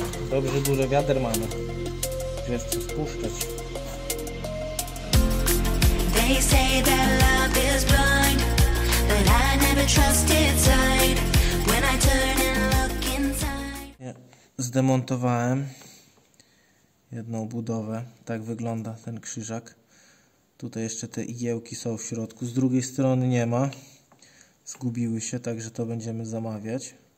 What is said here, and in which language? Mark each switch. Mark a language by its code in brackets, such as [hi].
[pl] Dobrze, duże wiader mamy, więc chcę spuszczać. [en] They say that love is blind, but I never trusted sight. When I turn and look inside. [pl] Ja zdemontowałem jedną budowę. Tak wygląda ten krzyżak. Tutaj jeszcze te igiełki są w środku. Z drugiej strony nie ma. Zgubiły się, także to będziemy zamawiać.